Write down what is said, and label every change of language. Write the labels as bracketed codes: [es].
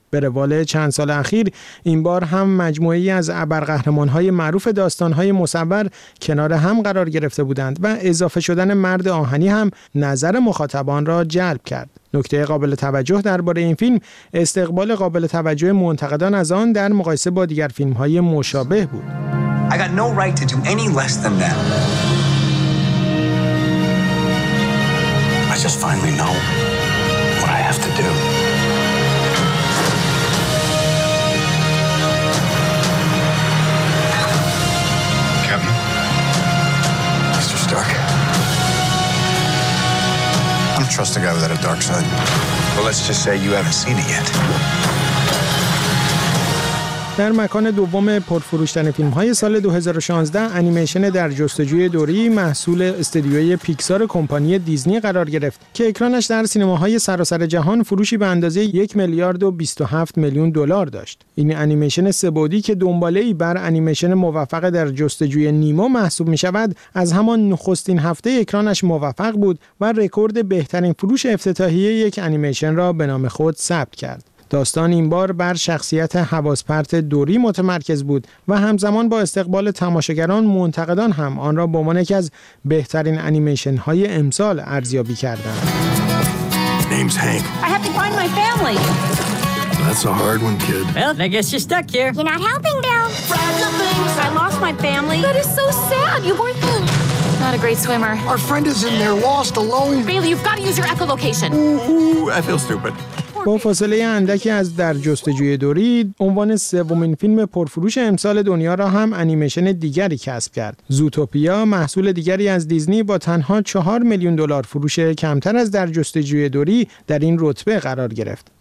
[fa] به روال چند سال اخیر این بار هم مجموعه‌ای از ابرقهرمان‌های معروف داستان‌های مصور کنار هم قرار گرفته بودند و اضافه شدن مرد آهنی هم نظر مخاطبان را جلب کرد. نکته قابل توجه درباره این فیلم استقبال قابل توجه منتقدان از آن در مقایسه با دیگر فیلم‌های مشابه بود. [en] I got no right to do any less than that. I just finally know what I have to do. Captain, Mr. Stark, I don't trust a guy without a dark side. Well, let's just say you haven't seen it yet. [fa] در مکان دوم پرفروش‌ترین فیلم‌های سال 2016 انیمیشن در جستجوی دوری محصول استدیوی پیکسار کمپانی دیزنی قرار گرفت که اکرانش در سینماهای سراسر جهان فروشی به اندازه 1,027,000,000 دلار داشت. این انیمیشن سه‌بعدی که دنباله‌ای بر انیمیشن موفق در جستجوی نیمو محسوب می‌شود، از همان نخستین هفته اکرانش موفق بود و رکورد بهترین فروش افتتاحیه یک انیمیشن را به نام خود ثبت کرد. داستان این بار بر شخصیت حواس‌پرت دوری متمرکز بود و همزمان با استقبال تماشاگران، منتقدان هم آن را به عنوان یکی از بهترین انیمیشن های امسال ارزیابی کردند. [en] Name's Hank. I have to find my family. That's a hard one, kid. Well, I guess you're stuck here. You're not helping, Bill. Friends of things. I lost my family. That is so sad. You weren't good. Not a great swimmer. Our friend is in there lost alone. Bailey, you've got to use your echolocation. Ooh, I feel stupid. [fa] با فاصله اندکی از در جستجوی دوری، عنوان سومین فیلم پرفروش امسال دنیا را هم انیمیشن دیگری کسب کرد. زوتوپیا، محصول دیگری از دیزنی، با تنها 4,000,000 دلار فروش کمتر از در جستجوی دوری در این رتبه قرار گرفت.